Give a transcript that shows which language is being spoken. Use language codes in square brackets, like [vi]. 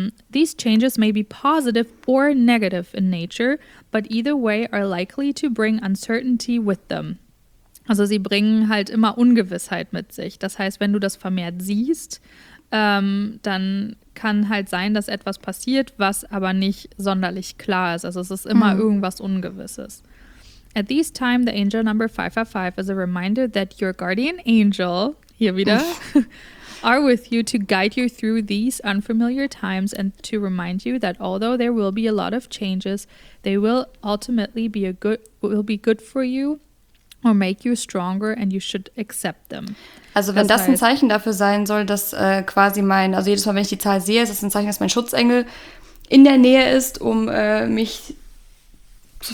[en] These changes may be positive or negative in nature, but either way are likely to bring uncertainty with them. [de] Also sie bringen halt immer Ungewissheit mit sich. Das heißt, wenn du das vermehrt siehst, dann kann halt sein, dass etwas passiert, was aber nicht sonderlich klar ist. Also es ist immer irgendwas Ungewisses. [en] At this time, the angel number 555 is a reminder that your guardian angel, [de] hier wieder, [en] are with you to guide you through these unfamiliar times and to remind you that although there will be a lot of changes, they will ultimately be good for you or make you stronger and you should accept them. [de] Also wenn das ein Zeichen dafür sein soll, dass quasi mein, also jedes Mal, wenn ich die Zahl sehe, ist das ein Zeichen, dass mein Schutzengel in der Nähe ist, um mich zu